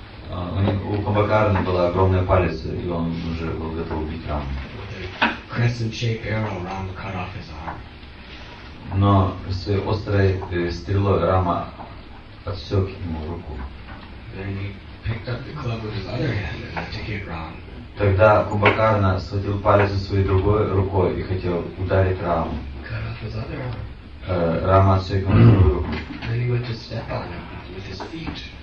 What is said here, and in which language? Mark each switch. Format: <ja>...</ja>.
<ru>У Кумбхакарны была огромная палец, и он уже был готов убить Раму.</ru> <en>Crescent-shaped arrow, Rama cut off his arm.</en> <ru>Но своей острой стрелой Рама отсек ему руку.</ru> <en>Then he picked up the club with his other hand and took it wrong.</en> <ru>Тогда Кумбхакарна схватил палец своей другой рукой и хотел ударить Раму.</ru> <en>Cut off his other arm.</en> <ru>Рама отсек ему другую руку.</ru> <en>Then he went to step on him with his feet.</en>